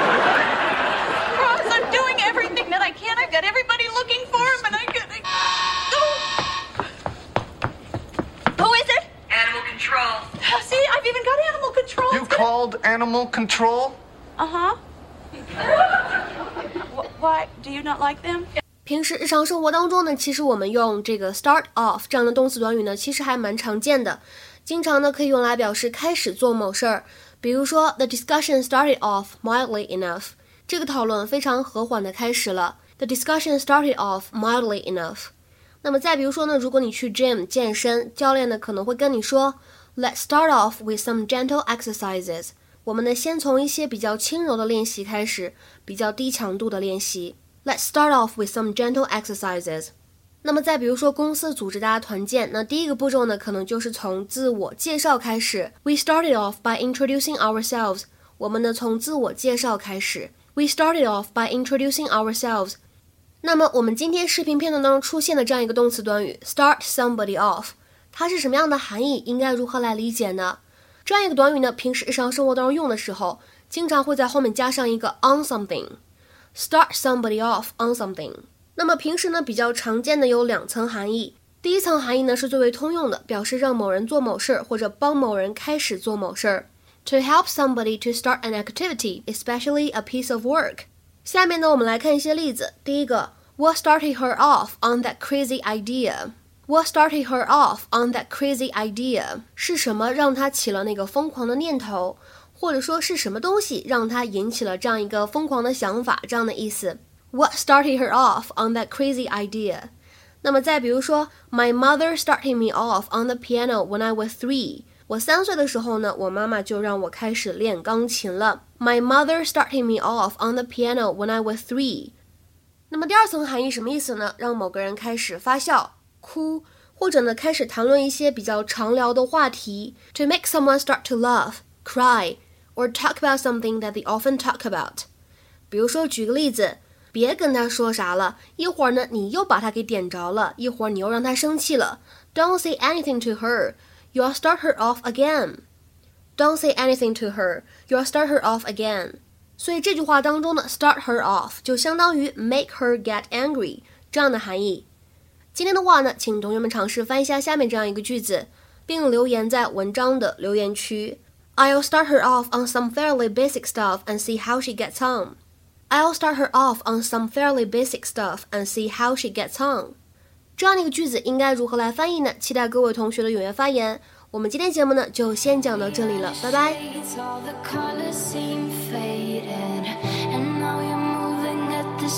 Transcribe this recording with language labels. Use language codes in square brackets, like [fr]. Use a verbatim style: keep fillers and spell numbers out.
[en] Ross, I'm doing everything that I can. I've got everybody looking for him, and I could... Oh. Who is it? Animal control. Oh, see, I've even got animal control. You called animal control? Uh-huh. Why do you not like them? [zh] 平时日常生活当中呢，其实我们用这个 start off 这样的动词短语呢，其实还蛮常见的。经常呢可以用来表示开始做某事儿，比如说 The discussion started off mildly enough. 这个讨论非常和缓的开始了。 [en] The discussion started off mildly enough. [zh] 那么再比如说呢，如果你去 gym 健身，教练呢可能会跟你说 Let's start off with some gentle exercises. 我们呢先从一些比较轻柔的练习开始，比较低强度的练习。 [en] Let's start off with some gentle exercises. [zh] 那么再比如说公司组织大家团建，那第一个步骤呢可能就是从自我介绍开始。 [en] We started off by introducing ourselves. [zh] 我们呢从自我介绍开始。 [en] We started off by introducing ourselves. [zh] 那么我们今天视频片段当中出现的这样一个动词短语 start somebody off， 它是什么样的含义？应该如何来理解呢？这样一个短语呢，平时日常生活当中用的时候，经常会在后面加上一个 on something, start somebody off on something。那么平时呢，比较常见的有两层含义。第一层含义呢，是最为通用的，表示让某人做某事，或者帮某人开始做某事。 [en] To help somebody to start an activity, especially a piece of work. [zh] 下面呢，我们来看一些例子。 [en] 第一个，What started her off on that crazy idea? What started her off on that crazy idea? [zh] 是什么让她起了那个疯狂的念头，或者说是什么东西让她引起了这样一个疯狂的想法，这样的意思。 What started her off on that crazy idea? [en] 那么再比如说 My mother started me off on the piano when I was three. [zh] 我三岁的时候呢，我妈妈就让我开始练钢琴了。 [en] My mother started me off on the piano when I was three. [zh] 那么第二层含义什么意思呢？让某个人开始发笑、哭，或者呢开始谈论一些比较常聊的话题。 [en] To make someone start to laugh, cry, or talk about something that they often talk about. [zh] 比如说，举个例子。别跟他说啥了，一会儿呢你又把他给点着了，一会儿你又让他生气了。 [en] Don't say anything to her, you'll start her off again. Don't say anything to her, you'll start her off again. [zh] 所以这句话当中呢 start her off 就相当于 make her get angry 这样的含义。今天的话呢，请同学们尝试翻一下下面这样一个句子，并留言在文章的留言区。 [en] I'll start her off on some fairly basic stuff and see how she gets on. I'll start her off on some fairly basic stuff and see how she gets on. [zh] 这样的一个句子应该如何来翻译呢？期待各位同学的踊跃发言。我们今天节目呢就先讲到这里了，拜拜。